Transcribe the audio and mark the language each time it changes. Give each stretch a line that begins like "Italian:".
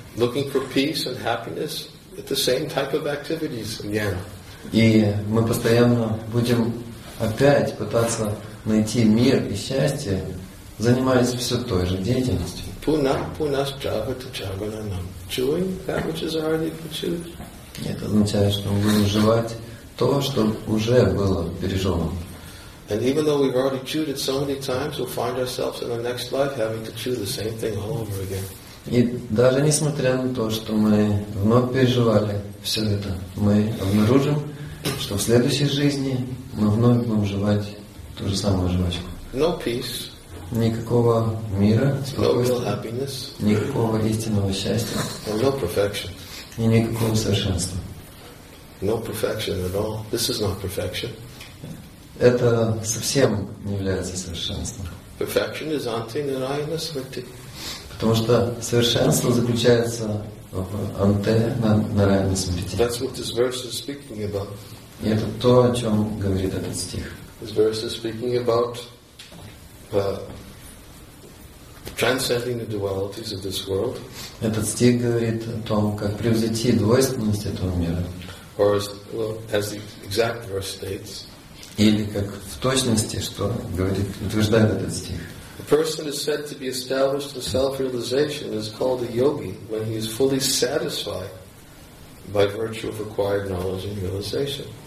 English: Looking for peace and happiness at the same type of activities again.
Russian: И мы постоянно будем опять пытаться найти мир и счастье, занимаясь все той же деятельностью.
Sanskrit: Puna punas jagata jagananam.
English: Chewing that which is already produced.
Russian: Нет, означает, что мы будем жевать то, что уже было пережевано.
English: And even though we've already chewed it so many times, we'll find ourselves in the next life having to chew the same thing all over again.
Russian: И даже несмотря на то, что мы вновь переживали все это, мы обнаружим, что в следующей жизни мы вновь будем жевать ту же самую жвачку.
English: No peace.
Russian: Никакого мира, спокойствия.
English: No real happiness.
Russian: Никакого истинного счастья.
English: And no perfection.
Russian: И никакого совершенства.
English: No perfection at all. This is not perfection.
Russian: Это совсем не является совершенством.
English: Perfection is anti-nirayana smriti.
Russian: Потому что совершенство заключается в анте нарайана смрити.
English: That's what this verse is speaking about.
Russian: И это то, о чем говорит этот стих.
English: This verse is speaking about transcending the dualities of this world.
Russian: Этот стих говорит о том, как превзойти двойственность этого мира.
English: Or as the exact verse states.
Russian: Или как в точности, что говорит, утверждает этот стих.
English: A person is said to be established in self-realization is called a yogi when he is fully satisfied by virtue of acquired knowledge and realization.